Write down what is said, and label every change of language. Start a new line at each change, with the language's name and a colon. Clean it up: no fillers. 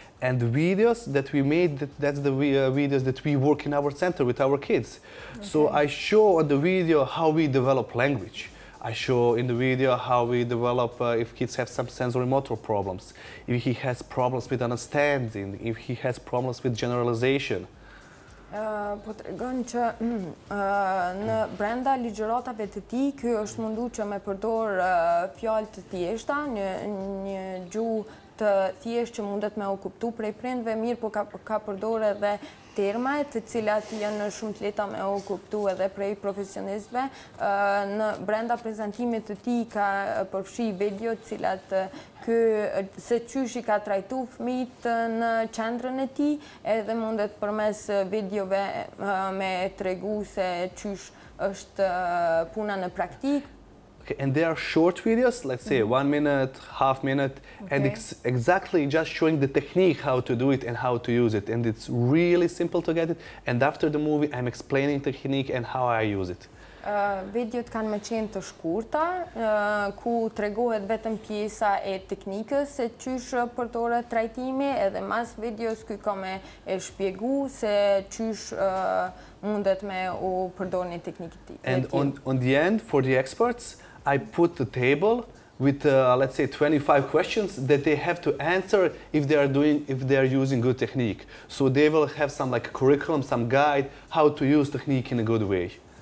English: And the videos that we made, that's the videos that we work in our center with our kids. Okay. So I show on the video how we develop language. I show in the video how we develop if kids have some sensory motor problems, if he has problems with understanding, if he has problems with generalization.
Albanian: Po tregon që në brenda ligjëratave të ti, ky është mundu që me përdor fjallë të thjeshta, një gjuhë të thjesht që mundet me u kuptu prej prindve, mirë po ka përdor edhe termaj të cilat janë shumë të leta me u kuptu edhe prej profesionistve. Në brenda prezentimit të ti ka përfshi video të cilat se qyshi ka trajtu fëmijët në qendrën e ti edhe mundet përmes videove me tregu se qysh është puna në praktikë.
English: Okay, and they are short videos, let's say 1 minute, half minute, okay. And it's exactly just showing the technique, how to do it and how to use it. And it's really simple to get it. And after the movie, I'm explaining the technique and how I use it.
Albanian: Videot kanë me qenë të shkurta, ku tregohet vetëm pjesa e teknikës se qysh përdoret trajtimi, edhe mas videos kuj ka me e shpjegu se qysh mundet me u përdor një teknikë të tjilë.
English: And on the end, for the experts, I put the table with, let's say, 25 questions that they have to answer if they are using good technique. So they will have some like curriculum, some guide, how to use technique in a good way.